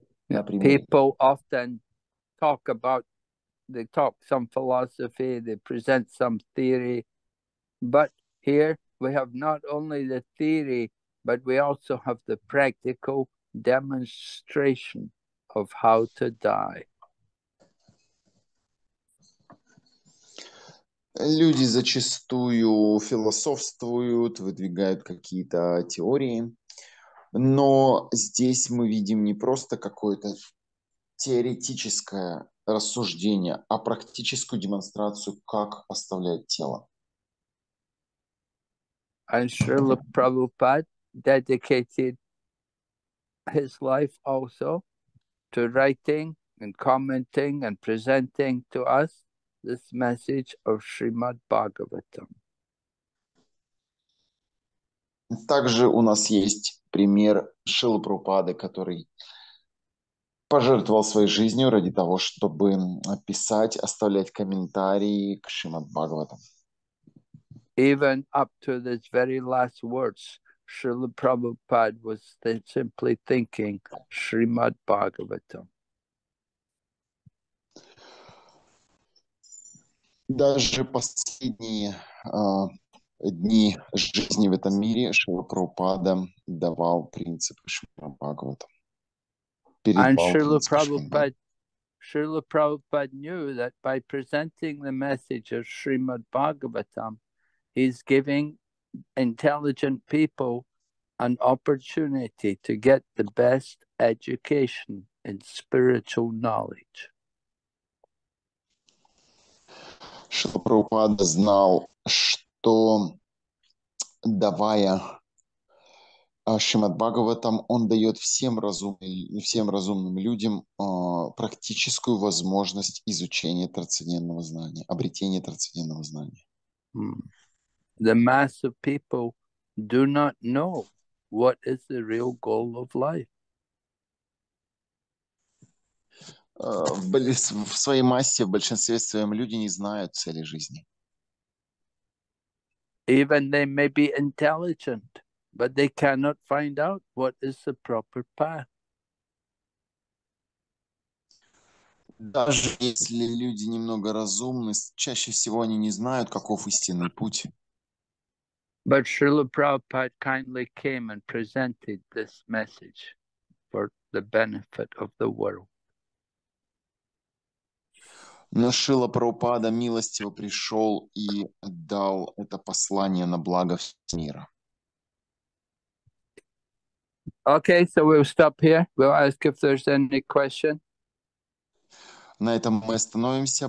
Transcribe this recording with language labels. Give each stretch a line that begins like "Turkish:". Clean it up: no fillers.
English: People often talk about, they talk some philosophy, they present some theory, but here we have not only the theory, but we also have the practical demonstration of how to die.
Russian: Люди зачастую философствуют, выдвигают какие-то теории. Но здесь мы видим не просто какое-то теоретическое рассуждение, а практическую демонстрацию, как оставлять тело.
English: And Srila Prabhupada dedicated his life also to writing and commenting and presenting to us this message of Srimad Bhagavatam.
Russian: Также у нас есть пример Шрилы Прабхупады, который пожертвовал своей жизнью ради того, чтобы писать, оставлять комментарии к Шримад Бхагаватам.
English: Even up to these very last words, Srila Prabhupada was simply thinking Srimad Bhagavatam.
Russian: Даже последние дни жизни в этом мире Шрила Прабхупада давал принципы Шримад Бхагаватам.
English: And Srila Prabhupada knew that by presenting the message of Srimad Bhagavatam, he's giving intelligent people an opportunity to get the best education in spiritual knowledge.
Russian: Шрила Прабхупада знал, что давая Шримад Бхагаватам, он дает всем разумным людям практическую возможность изучения трансцендентного знания, обретения трансцендентного знания.
English: The mass of people do not know what is the real goal of life.
Russian: В своей массе, в большинстве своем, люди не знают цели жизни.
English: Even they may be intelligent, but they cannot find out what is the proper path.
Russian: Даже если люди немного разумны, чаще всего они не знают, каков истинный путь.
English: But Srila Prabhupada kindly came and presented this message for the benefit of the world.
Russian: Но Шрила Прабхупада милостиво пришел и дал это послание на благо всего мира.
English: Okay, so we'll stop here. We'll ask if there's any question.
Russian: На этом мы остановимся.